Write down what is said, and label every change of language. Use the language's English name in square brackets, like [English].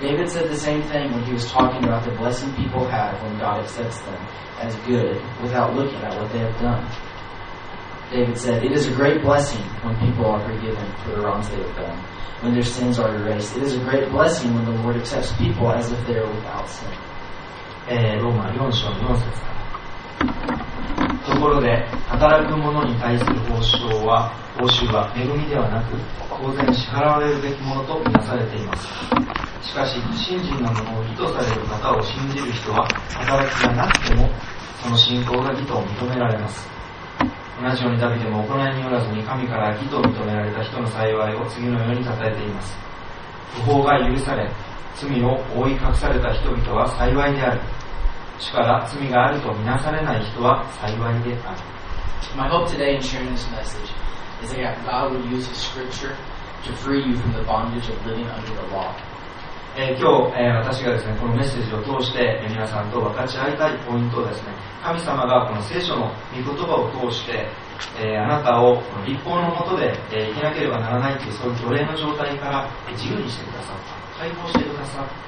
[English] David said the same thing when he was talking about the blessing people have when God accepts them as good without looking at what they have done. David said, it is a great blessing when people are forgiven for the wrongs they have done, when their sins are erased. It is a great blessing when the Lord accepts people as if they are without sin. [Japanese] ローマ4章4節から。ところで、働く者に対する報酬は恵みではなく、公然支払われるべきものとみなされています。しかし、信心なものを義とされる方を信じる人は、働きがなくても、その信仰が義と認められます。同じようにダビデも行いによらずに神から義と認められた人の幸いを次のように称えています。不法が許され、罪を覆い隠された人々は幸いである。主から罪があるとみなされない人は幸いである。 [English] My hope today in sharing this message is that God will use the scripture to free you from the bondage of living under the law. [Japanese] 今日、私がですね、このメッセージを通して皆さんと分かち合いたいポイントをですね、神様がこの聖書の御言葉を通して、あなたをこの立法の下で、生きなければならないというそういう奴隷の状態から自由にしてくださった。